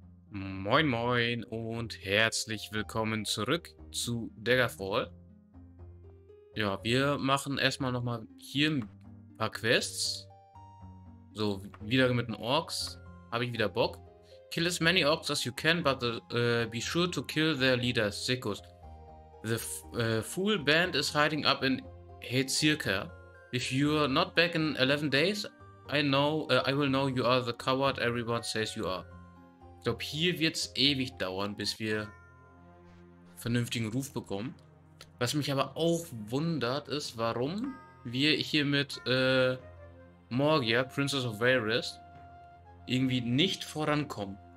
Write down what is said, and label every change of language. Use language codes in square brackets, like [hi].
[de] Moin moin und herzlich willkommen zurück zu Daggerfall. Ja, wir machen erstmal nochmal hier ein paar Quests. So, wieder mit den Orks. Habe ich wieder Bock. [en] Kill as many Orks as you can, but be sure to kill their leader, Sikkus. Fool Band is hiding up in Heizirka. If you're not back in 11 days, I will know you are the coward everyone says you are. [de] Ich glaube, hier wird es ewig dauern, bis wir vernünftigen Ruf bekommen. Was mich aber auch wundert, ist, warum wir hier mit Morgia, Princess of Varys, irgendwie nicht vorankommen.